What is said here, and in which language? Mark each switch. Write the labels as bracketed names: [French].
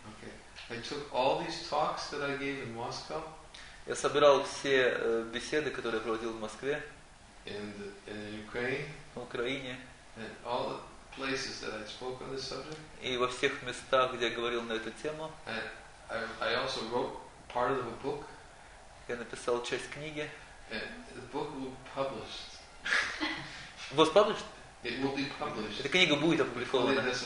[English] Okay. I took all these talks that I gave in Moscow. [Russian] Я собирал все беседы, которые я проводил в Москве. [English] In Ukraine. [Russian] В Украине. [English] And all the places that I spoke on this subject. [Russian] И во всех местах, где я говорил на эту тему. [English] I also wrote part of a book. [Russian] Я написал часть книги. [English] And the book will be published. Was published? It will be published. [Russian] Эта книга будет опубликована.